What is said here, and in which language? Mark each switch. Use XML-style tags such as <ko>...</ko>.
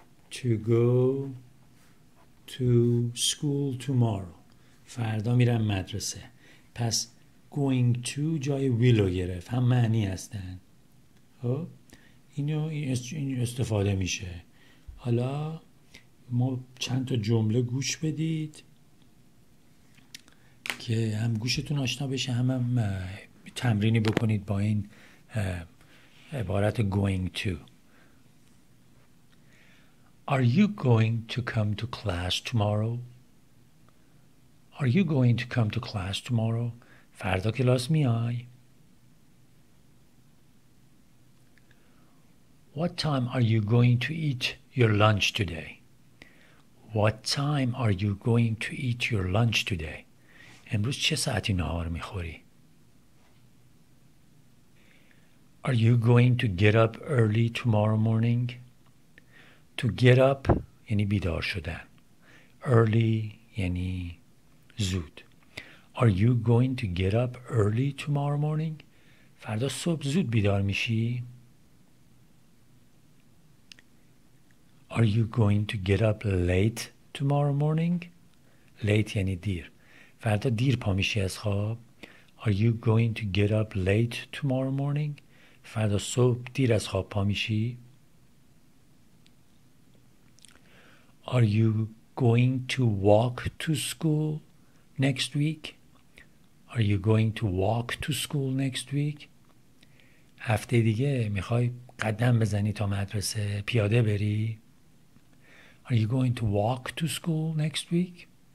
<en>to go to school tomorrow</en> <fa>فردا میرم مدرسه پس going to جای will رو گرفت هم معنی هستن خب اینو این استفاده میشه حالا ما چند تا جمله گوش بدید که هم گوشتون آشنا بشه هم, هم تمرینی بکنید با این عبارت</fa> <en>going to Are you going to come to class tomorrow? Are you going to come to class tomorrow?</en> <fa>فردا کلاس میای؟</fa> <en>What time are you going to eat your lunch today? What time are you going to eat your lunch today?</en> <fa>امروز چه ساعتی نهار میخوری؟</fa> <en>Are you going to get up early tomorrow morning? To get up</en> <fa>یعنی بیدار شدن. Early یعنی زود.</fa> <en>Are you going to get up early tomorrow morning?</en> <fa>فردا صبح زود بیدار میشی؟</fa> <en>Are you going to get up late tomorrow morning? Late</en> <fa>یعنی دیر. فردا دیر پا میشی از خواب.</fa> <en>Are you going to get up late tomorrow morning?</en> <fa>فردا صبح دیر از خواب پا میشی.</fa> <en>Are you going to walk to school next week? Are you going to walk to school next week?</en> <fa>هفته دیگه میخوای قدم بزنی تا مدرسه پیاده بری؟</fa> <en>Are you going to walk to school next week?</en>